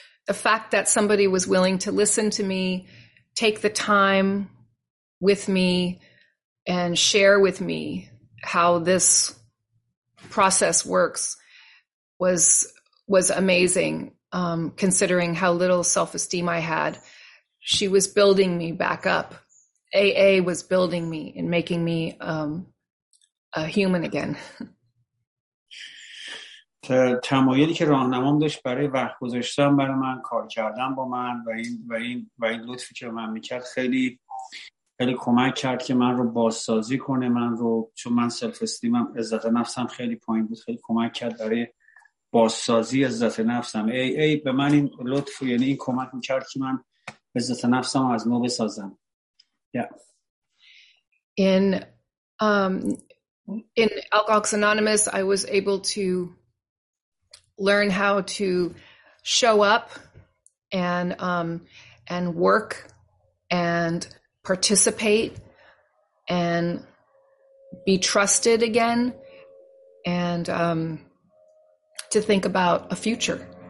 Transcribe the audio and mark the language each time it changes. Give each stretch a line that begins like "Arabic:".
English: The fact that somebody was willing to listen to me, take the time with me, and share with me how this process works was amazing, considering how little self-esteem I had. She was building me back up. AA was building me and making me a human again.
Persian: تمایلی که راهنمام داشت برای وقت گذاشتن برای من، کار کردن با من و این لطفی که من میکرد خیلی خیلی کمک کرد که من رو بازسازی کنه، من رو چون من سلف استیمم عزت نفسم خیلی پایین بود، خیلی کمک کرد برای بازسازی عزت نفسم. ای به من این لطف، یعنی این کمک میکرد که من عزت نفسم از نو بسازم.
English: Yeah. In Alcoholics Anonymous I was able to learn how to show up and work and participate and be trusted again and to think about a future.